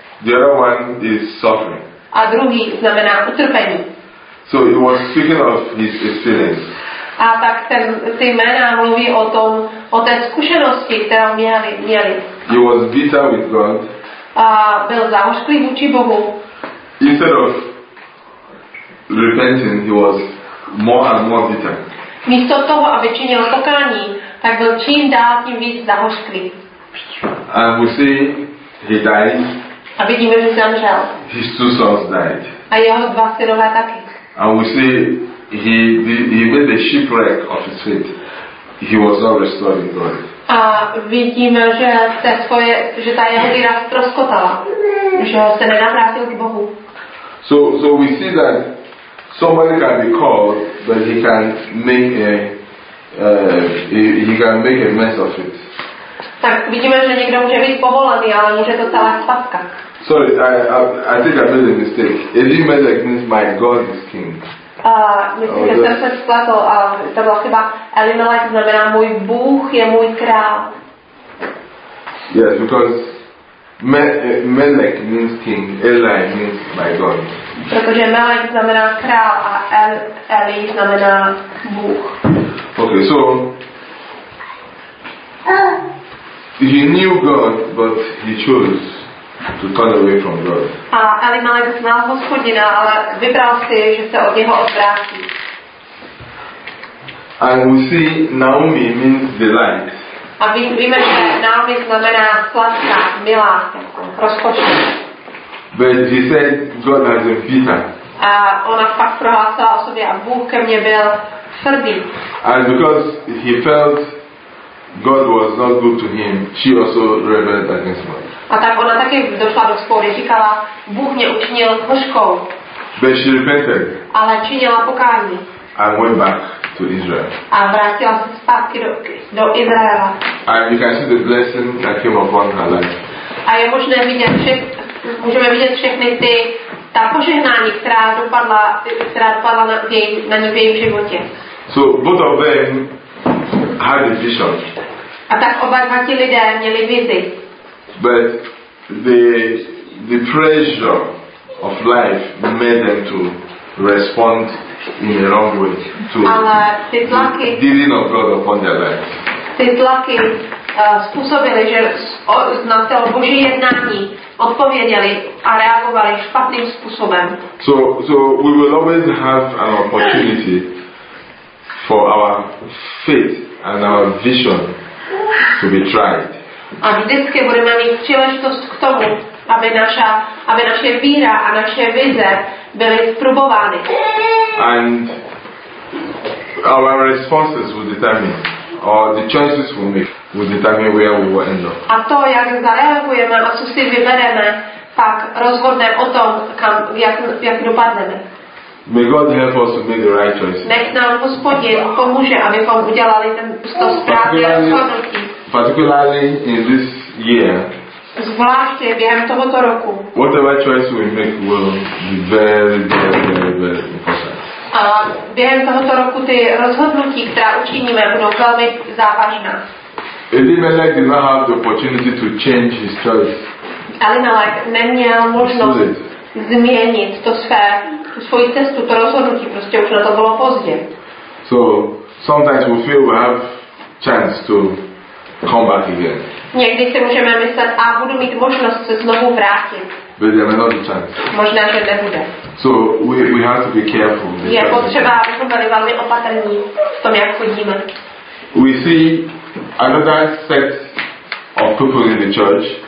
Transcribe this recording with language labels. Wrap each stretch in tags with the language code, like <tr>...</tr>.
<en>The other one is suffering.</en> <cs>A druhý znamená utrpení.</cs> <en>So he was speaking of his experience.</en> <cs>A tak ty jména mluví o té zkušenosti, kterou měli.</cs> <en>He was bitter with God.</en> <cs>A byl zahořklý vůči Bohu.</cs> <en>Instead of repenting, he was more and more bitter.</en> <cs>Místo toho, aby činil pokání, tak byl čím dál tím víc zahořklý.</cs> <en>And we see he died.</en> <cs>A vidíme, že zemřel.</cs> <en>His two sons died.</en> <cs>A jeho dva synové taky.</cs> <en>And we see he made a shipwreck of his faith. He was not restored in God.</en> <cs>A vidíme, že se svoje, že ta jeho víra ztroskotala, že ho se nenavrátil k Bohu.</cs> <en>So we see that somebody can be called, but he can make a mess of it.</en> <cs>Tak vidíme, že někdo může být povolaný, ale může to celá spaska.</cs> <en>Sorry, I think I made a mistake. Elimelech means my God is king.</en> <cs>Myslím, že jsem se spletl a to byla chyba. Elimelech znamená můj Bůh je můj král.</cs> <en>Yes, because Melech means king, Eli means my God.</en> <cs>Protože Melech znamená král a Eli znamená Bůh.</cs> <en>Okay, so he knew God, but he chose to turn away from God.</en> <cs>A Elimelech znal Hospodina, ale vybral si, že se od něho odvrátí.</cs> <en>And we see Naomi means delight.</en> <cs>A víme, že námi znamená sladká, milá, rozkošná.</cs> <en>But she said God has a bitter.</en> <cs>A ona pak prohlásila o sobě a Bůh ke mně byl tvrdý.</cs> <en>And because he felt God was not good to him, she also rebelled against God.</en> <cs>A tak ona taky došla do spory, říkala, Bůh mě učinil hořkou.</cs> <en>But she repented.</en> <cs>Ale činila pokání.</cs> <en>And went back to Israel.</en> <cs>A vrátila se zpátky do Izraela.</cs> <en>And you can see the blessing that came upon her life.</en> <cs>A je možné vidět můžeme vidět všechny ty ta požehnání, která dopadla na ní v jejím životě.</cs> <en>So both of them had a vision.</en> <cs>A tak oba dva ti lidé měli vizi.</cs> <en>But the pressure of life made them to respond in the wrong way to the dealing of God upon their lives.</en> <cs>Ty tlaky způsobily, že na to Boží jednání odpověděli a reagovali špatným způsobem.</cs> <en>So we will always have an opportunity for our faith and our vision to be tried.</en> <cs>A vždycky budeme mít příležitost k tomu, aby naše víra a naše vize byly zprobovány.</cs> <en>And our responses will determine, or the choices we make will determine where we will end up.</en> <cs>A to, jak zareagujeme a co si vybereme, tak rozhodne o tom, jak dopadneme.</cs> <en>May God help us to make the right choices.</en> <cs>Nech nám Hospodin pomůže, abychom udělali to správné rozhodnutí.</cs> <en>Particularly in this year,</en> <cs>zvláště během tohoto roku,</cs> <en>whatever choice we make will be very, very, very, very important.</en> <cs>A během tohoto roku ty rozhodnutí, která učiníme, budou velmi závažná.</cs> <en>Elimelech did not have the opportunity to change his choice.</en> <cs>Elimelech neměl možnost změnit svoji cestu, to rozhodnutí, prostě už na to bylo pozdě.</cs> <en>So sometimes we feel we have chance to come back again.</en> <cs>Někdy si můžeme myslet, a budu mít možnost se znovu vrátit.</cs> <en>But there may not be chance.</en> <cs>Možná, že nebude.</cs> <en>So we have to be careful.</en> <cs>Je potřeba, abychom byli velmi opatrní v tom, jak chodíme.</cs> <en>We see another set of people in the church.</en>